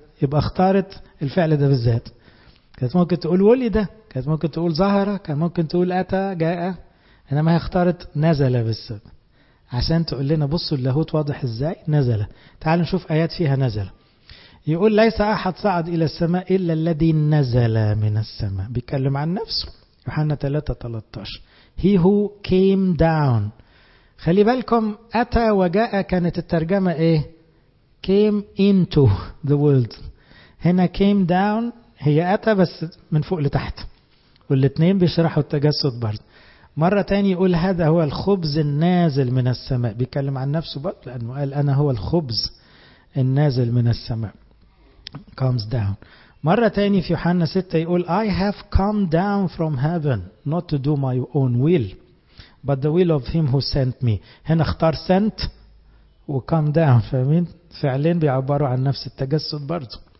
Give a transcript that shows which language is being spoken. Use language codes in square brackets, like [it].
[ar] يبقى اختارت الفعل ده بالذات. كانت ممكن تقول ولد، كانت ممكن تقول ظهر، كان ممكن تقول أتى، جاء، إنما هي اختارت نازل بالذات عشان تقول لنا بصوا اللاهوت واضح إزاي نازل. تعال نشوف آيات فيها نازل. يقول ليس أحد صعد إلى السماء إلا الذي نزل من السماء، بيتكلم عن نفسه، يوحنا 3:13. [en] He who came down، [ar] خلي بالكم أتى وجاء كانت الترجمة إيه؟ [en] came into the world. [ar] هنا [en] came down [ar] هي أتى بس من فوق لتحت، والاثنين بيشرحوا التجسد برضه. مرة تاني يقول هذا هو الخبز النازل من السماء، بيكلم عن نفسه برضه لأنه قال أنا هو الخبز النازل من السماء [en] comes down. [ar] مرة تاني في يوحنا 6 يقول [en] I have come down from heaven not to do my own will but the will of him who sent me. [ar] هنا اختار sent و [en] come down، [ar] فاهمين؟ فعلين بيعبروا عن نفس التجسد برضو.